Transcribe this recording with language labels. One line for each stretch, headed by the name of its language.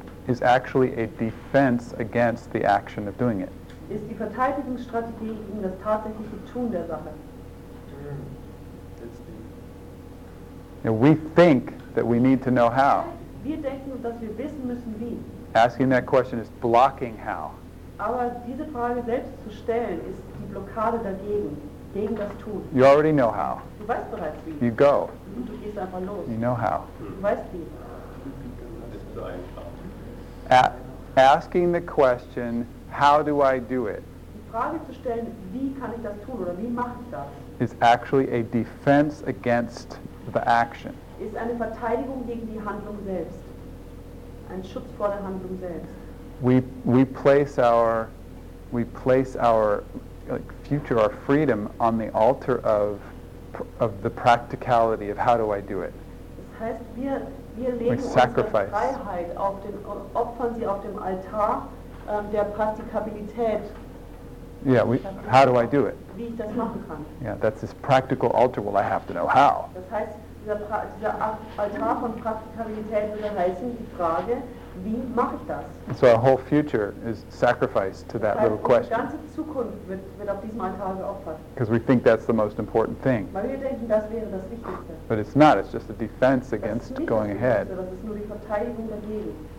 English: is actually a defense against the action of doing it.
German: Ist die Verteidigungsstrategie gegen das tatsächliche Tun der Sache.
English: And we think that we need to know how.
German: Wir denken, dass wir wissen müssen, wie.
English: Asking that question is blocking how.
German: Aber diese Frage selbst zu stellen, ist die Blockade dagegen.
English: You already know how.
German: Du weißt bereits, wie.
English: You go.
German: Du gehst einfach los.
English: You know how.
German: Du weißt, wie.
English: Asking the question, how do I do it?
German: Die Frage zu stellen, wie kann ich das tun oder wie mache ich das?
English: Is actually a defense against the action.
German: Ist eine Verteidigung gegen die Handlung selbst. Ein Schutz vor der Handlung selbst.
English: We place our like future, our freedom on the altar of the practicality of how do I do it.
German: Das heißt, wir legen unsere Freiheit auf den, opfern sie auf dem Altar der Praktikabilität.
English: Yeah, how do I do it?
German: Wie ich das machen kann.
English: Yeah, that's this practical altar. Well, I have to know how.
German: Das heißt, dieser Altar von Praktikabilität würde heißen, die Frage, wie mache ich das?
English: So our whole future is sacrificed to that little question.
German: Die ganze Zukunft wird auf diesem Altar geopfert.
English: Because we think that's the most important thing.
German: Weil wir denken, das wäre das Wichtigste.
English: But it's not, it's just a defense against going ahead.
German: Das ist nur die Verteidigung dagegen.